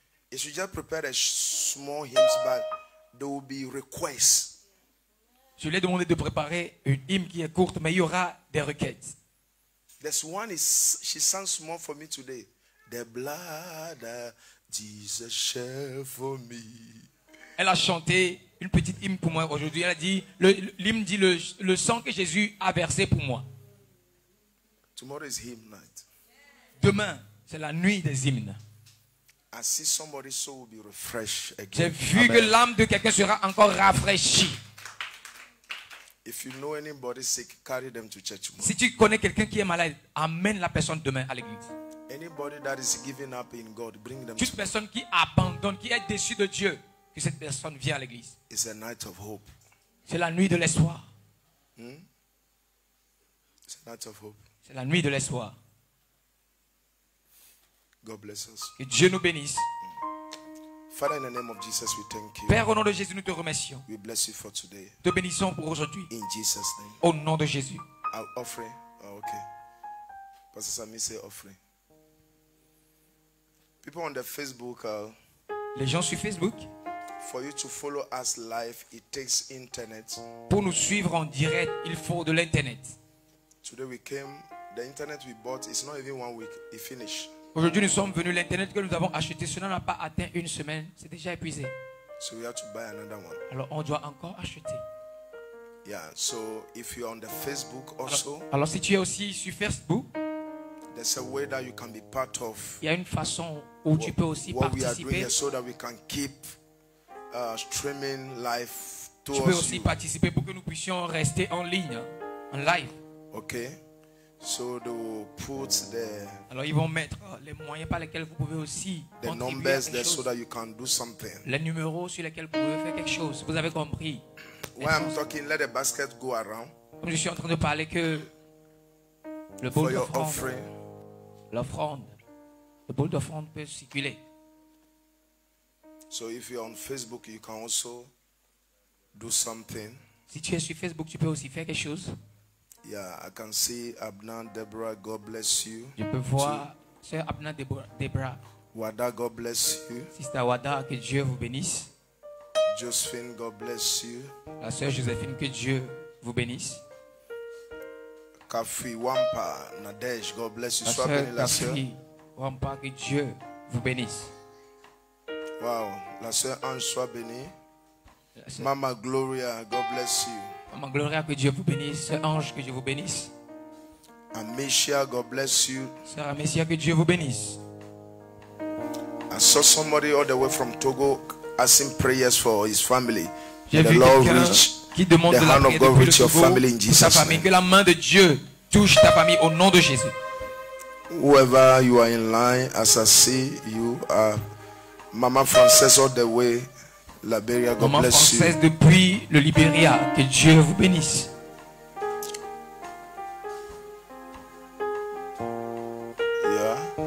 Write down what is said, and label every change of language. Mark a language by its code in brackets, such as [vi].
[en] You should just prepare a small hymns, but there will be requests. [fr] Je lui ai demandé de préparer une hymne qui est courte, mais il y aura des requêtes. [en] This one is, she sang small for me today. The blood that Jesus shed for me. [fr] Elle a chanté une petite hymne pour moi aujourd'hui. Elle a dit, l'hymne dit le sang que Jésus a versé pour moi. [en] Tomorrow is hymn night. [fr] Demain, c'est la nuit des hymnes. [en] I see somebody's soul will be refreshed again. [fr] J'ai vu Amen. Que l'âme de quelqu'un sera encore rafraîchie. [en] If you know anybody sick, carry them to church tomorrow. [fr] Si tu connais quelqu'un qui est malade, amène la personne demain à l'église. [en] Anybody that is giving up in God, bring them. [fr] Toute personne qui abandonne, qui est déçue de Dieu, que cette personne vienne à l'église. [en] It's a night of hope. [fr] C'est la nuit de l'espoir. [en] It's a night of hope. [fr] C'est la nuit de l'espoir. [en] God bless us. [fr] Que Dieu nous bénisse. [en] Father, in the name of Jesus, we thank you. [fr] Père, au nom de Jésus, nous te remercions. [en] We bless you for today. [fr] Te bénissons pour aujourd'hui. [en] In Jesus' name. [fr] Au nom de Jésus. [en] I'll offer. Oh, okay. Pastor Sammy say offering. People on the Facebook. [fr] Les gens sur Facebook. [en] For you to follow us live, it takes internet. [fr] Pour nous suivre en direct, il faut de l'internet. [en] Today we came. The internet we bought is not even 1 week. It finished. [fr] Aujourd'hui, nous sommes venus. L'internet que nous avons acheté, cela n'a pas atteint une semaine. C'est déjà épuisé. [en] So we have to buy another one. [fr] Alors, on doit encore acheter. [en] Yeah. So if you're on the Facebook also. [fr] Alors, si tu es aussi sur Facebook. [en] There's a way that you can be part of. [fr] Il y a une façon où tu peux aussi [en] what [fr] participer. [en] We are doing so that we can keep streaming live to [fr] tu peux aussi [en] you. [fr] Participer pour que nous puissions rester en ligne, en live. [en] Okay. So they will put the. [fr] Alors ils vont mettre les moyens par lesquels vous pouvez aussi [en] the numbers there so that you can do something. [fr] Les numéros sur lesquels vous pouvez faire quelque chose. Vous avez compris? [en] While I'm talking, let the basket go around. [fr] Comme je suis en train de parler que le bol d'offrande, l'offrande, le bol d'offrande peut circuler. [en] So if you're on Facebook, you can also do something. [fr] Si tu es sur Facebook, tu peux aussi faire quelque chose. [en] Yeah, I can see Abner, Deborah. God bless you. [fr] Je peux voir Sœur Abner, Deborah. [en] Wada, God bless you. [fr] Sister Wada, que Dieu vous bénisse. [en] Josephine, God bless you. [fr] La Sœur Josephine, que Dieu vous bénisse. [en] Kafi Wampa, Nadej, God bless you. [fr] La Sœur Kafi Wampa, que Dieu vous bénisse. Wow, la Sœur Ange, soit bénie. Mama Gloria, [en] God bless you. [fr] Maman Gloria, que Dieu vous bénisse. Sœur Ange, que Dieu vous bénisse. [en] Amicia, God bless you. [fr] Sœur Amicia, que Dieu vous bénisse. [en] I saw somebody all the way from Togo asking prayers for his family. [fr] J'ai vu quelqu'un qui demande de la prière de Togo pour sa famille. Que la main de Dieu touche ta famille au nom de Jésus. [en] Whoever you are in line, as I see you are Maman Frances all the way. Liberia, God [fr] Maman [en] bless [fr] Française [en] you. [fr] Depuis le Liberia, que Dieu vous bénisse. Yeah.